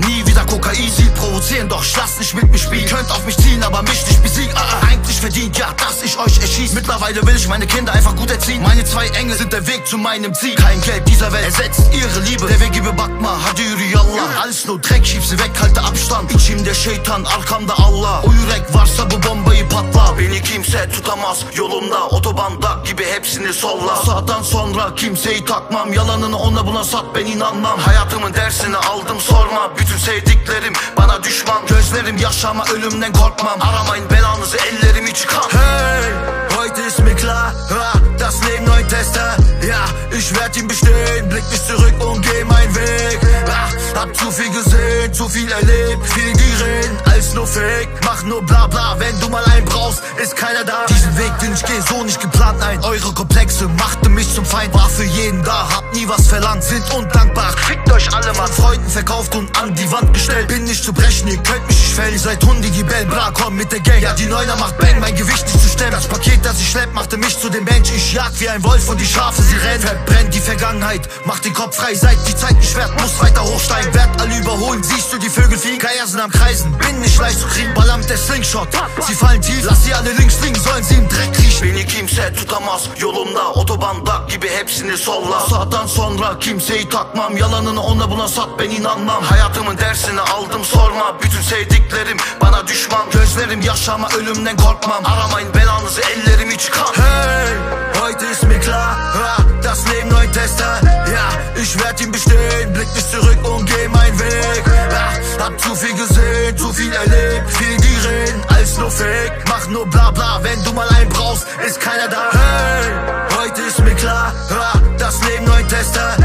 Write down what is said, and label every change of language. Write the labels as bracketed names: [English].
[German] Nie wieder Kokain, sie provozieren, doch ich lass nicht mit mir spielen. Könnt auf mich ziehen, aber mich nicht besiegen. Eigentlich verdient, ja, dass ich euch erschieß. Mittlerweile will ich meine Kinder einfach gut erziehen. Meine zwei Engel sind der Weg zu meinem Ziel. Kein Geld dieser Welt ersetzt ihre Liebe. Der Weg gebe Bagma, Hadiri Allah. Alles nur Dreck, schieb sie weg, halte Abstand. [Turkish] İçim [German] der [Turkish] Şeytan, arkamda Allah. O yürek varsa bu bombayı patla. Beni kimse tutamaz yolumda. Otobanda gibi hepsini solla. Sağdan sonra kimseyi takmam. Yalanını ona buna sat, ben inanmam. Hayatımın dersini aldım, sorma. Bütün sevdiklerim bana düşman. Gözlerim yaşama, ölümden korkmam. Aramayın belanızı, ellerimi çıkan. [German] Hey, heute ist mir klar, das Leben neu teste. Ja, ich werd ihn bestehen, blick nicht zurück und geh meinen Weg. Hab zu viel gesehen, zu viel erlebt, viel geredet, alles nur fake. Mach nur bla bla, wenn du mal einen brauchst, ist keiner da. Diesen Weg, den ich geh, so nicht geplant, nein. Eure Komplexe machten mich zum Feind. War für jeden da, hab nie was verlangt, sind undankbar. Fickt euch alle, Mann. Von Freunden verkauft und an die Wand gestellt. Bin nicht zu brechen, ihr könnt mich nicht fällen. Ihr seid Hunde, die Bell, bra, komm mit der Gang. Ja, die Neuner macht Bang, mein Gewicht nicht zu stemmen. Das Paket, das ich schlepp, machte mich zu dem Mensch. Ich jag wie ein Wolf und die Schafe, sie rennen. Verbrennt die Vergangenheit, macht den Kopf frei. Seid die Zeit nicht wert, muss weiter hochsteigen. Werd alle überholen, siehst du die Vögel fliegen? Geier sind am Kreisen, bin nicht leicht zu kriegen. Baller mit der Slingshot, sie fallen tief. Lass sie alle links liegen, sollen sie im Dreck riechen. [Turkish] Beni kimse tutamaz yolumda. Otobanda gibi hepsini solla. Sağdan sonra kimseyi takmam. Yalanını ona buna sat, ben inanmam. Hayatımın dersini aldım, sorma. Bütün sevdiklerim bana düşman. Gözlerim yaşama, ölümden korkmam. Aramayın belanızı, ellerimi çıkan. [German] Hey, heute ist mir klar, das Leben neu teste. Ja, ich werd ihn bestehen, blick nicht zurück und geh meinen Weg. Hab zu viel gesehen, zu viel erlebt, viel die reden, alles nur fake. Mach nur bla bla, wenn du mal einen brauchst, ist keiner da. Hey, heute ist mir klar, das Leben neu teste.